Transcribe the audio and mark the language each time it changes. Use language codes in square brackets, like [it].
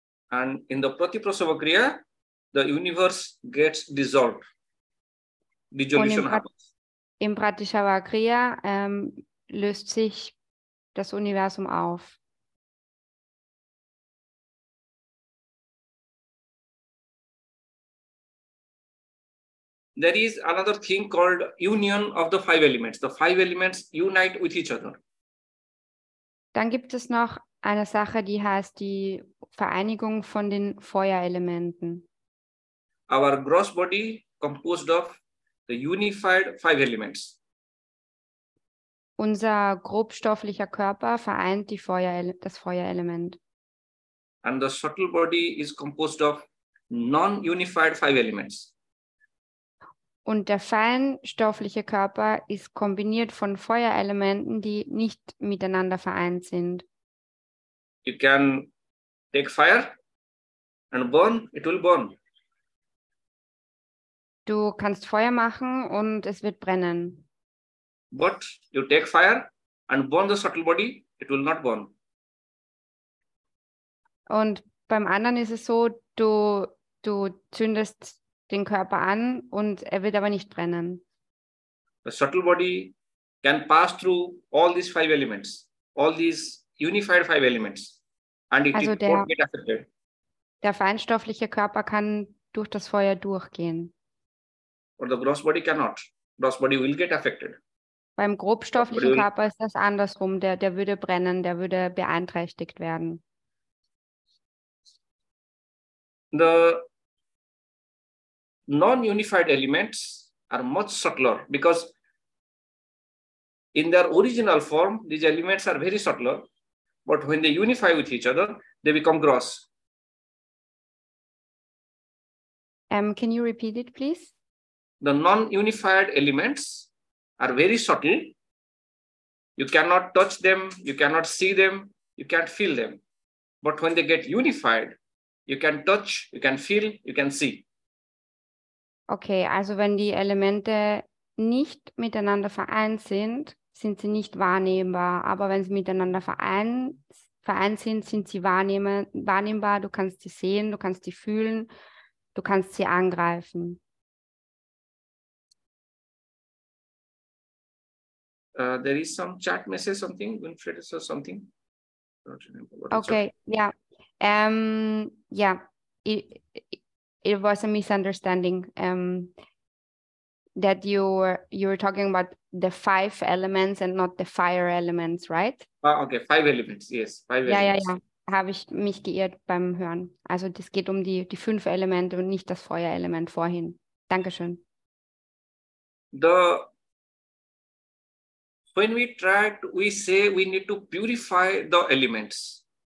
[en] And in the Pratiprasava Kriya, the universe gets dissolved. Dissolution happens. [de] In Pratiprasava Kriya löst sich das Universum auf. [en] There is another thing called union of the five elements. The five elements unite with each other. [de] Dann gibt es noch eine Sache, die heißt die Vereinigung von den Feuerelementen. [en] Our gross body composed of the unified five elements. [de] Unser grobstofflicher Körper vereint die Feuer, das Feuerelement. [en] And the subtle body is composed of non-unified five elements. [de] Und der feinstoffliche Körper ist kombiniert von Feuerelementen, die nicht miteinander vereint sind. [en] You can take fire and burn, it will burn. [de] Du kannst Feuer machen und es wird brennen. [en] But you take fire and burn the subtle body, it will not burn. [de] Und beim anderen ist es so, du zündest den Körper an und er wird aber nicht brennen. [en] The subtle body can pass through all these five elements, all these unified five elements, and it won't get affected. [de] Der feinstoffliche Körper kann durch das Feuer durchgehen. [en] But the gross body cannot. Gross body will get affected. [de] Beim grobstofflichen Körper ist das andersrum. Der würde brennen, der würde beeinträchtigt werden. [en] The non-unified elements are much subtler because in their original form, these elements are very subtler. But when they unify with each other, they become gross. Can you repeat it, please? The non-unified elements are very subtle. You cannot touch them, you cannot see them, you can't feel them. But when they get unified, you can touch, you can feel, you can see. [de] Okay, also wenn die Elemente nicht miteinander vereint sind, sind sie nicht wahrnehmbar. Aber wenn sie miteinander vereint sind, sind sie wahrnehmbar. Du kannst sie sehen, du kannst sie fühlen, du kannst sie angreifen. [en] There is some chat message, something, Winfred says something. Okay, yeah. Yeah, it was a misunderstanding that you were talking about the five elements and not the fire elements, right? Okay, five elements, yes. Five [de] ja, [en] elements. [de] Ja, ja, habe ich mich geirrt beim Hören. Also es geht um die fünf Elemente und nicht das Feuerelement vorhin. Dankeschön. [en] When we tried, we say we need to purify the elements.